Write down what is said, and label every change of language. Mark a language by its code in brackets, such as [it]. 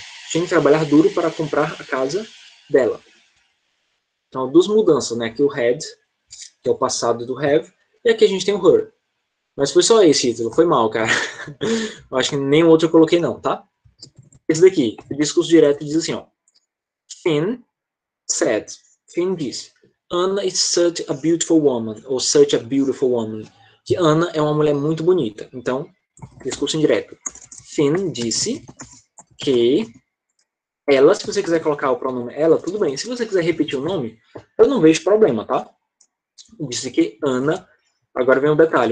[pt] Tinha que trabalhar duro para comprar a casa dela. Então, duas mudanças, né? Aqui o had, que é o passado do have, e aqui a gente tem o her. Mas foi só esse título, foi mal, cara. Eu acho que nenhum outro eu coloquei, não, tá? Esse daqui, o discurso direto diz assim, ó. [en] Finn said. [pt] Finn disse. [en] Anna is such a beautiful woman, ou such a beautiful woman. [pt] Que Anna é uma mulher muito bonita. Então, discurso indireto. Finn disse que ela, se você quiser colocar o pronome ela, tudo bem. Se você quiser repetir o nome, eu não vejo problema, tá? Disse que Anna. Agora vem um detalhe.